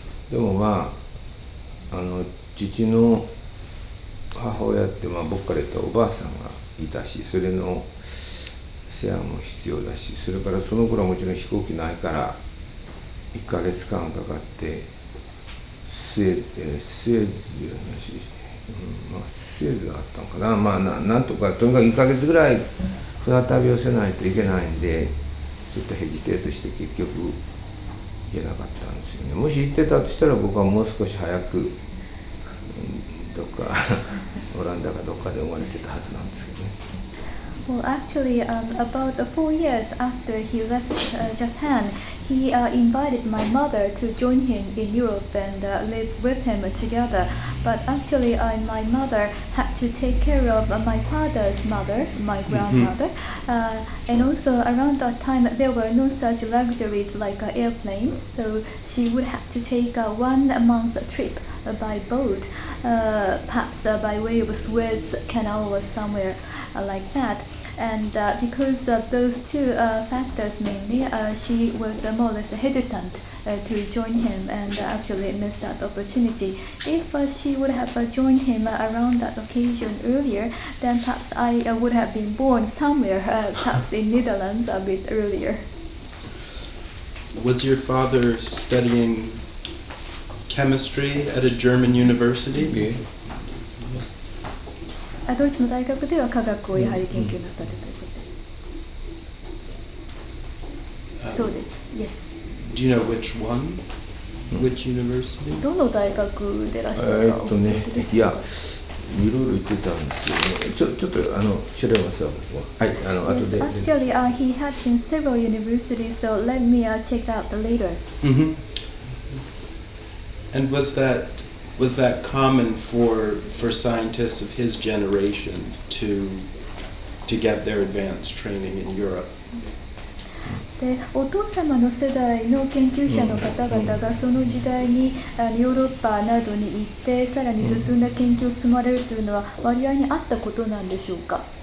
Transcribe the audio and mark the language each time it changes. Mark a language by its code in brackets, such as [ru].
[ja] でもまあ、父の母親って、まあ、僕から言ったおばあさんがいたし、それの世話も必要だし、それからその頃はもちろん飛行機ないから、1ヶ月間かかって、スエズがあったのかな、まあ、なんとか、とにかく1ヶ月ぐらい、船旅をせないといけないんで、ちょっとヘジテートして結局行けなかったんですよね。もし行ってたとしたら僕はもう少し早くどっかオランダかどっかで生まれてたはずなんですけどね。 [en] Well, actually, about 4 years after he left Japan, he invited my mother to join him in Europe and live with him together. But actually, my mother had to take care of my father's mother, my grandmother. And also, around that time, there were no such luxuries like airplanes, so she would have to take a 1 month trip by boat, perhaps by way of Suez Canal or somewhere like that. And because of those two factors mainly, she was more or less hesitant to join him and actually missed that opportunity. If she would have joined him around that occasion earlier, then perhaps I would have been born somewhere, perhaps in Netherlands a bit earlier. Was your father studying chemistry at a German university? Yeah. [ja] ドイツの大学では科学をやはり研究なさってたということで、そうです、 [en] Yes. Do you know which one? Which university? [ja] どの大学でらっしゃるか。いや、いろいろ言ってたんですけど、ちょっと調べますよ、ここは。はい、後で。 [en] Yes, actually, he had been several universities, so let me check it out later. And was that common for scientists of his generation to get their advanced training in Europe? [ja] で、お父様の世代の研究者の方々がその時代にあのヨーロッパなどに行ってさらに進んだ研究を積まれるというのは割合にあったことなんでしょうか。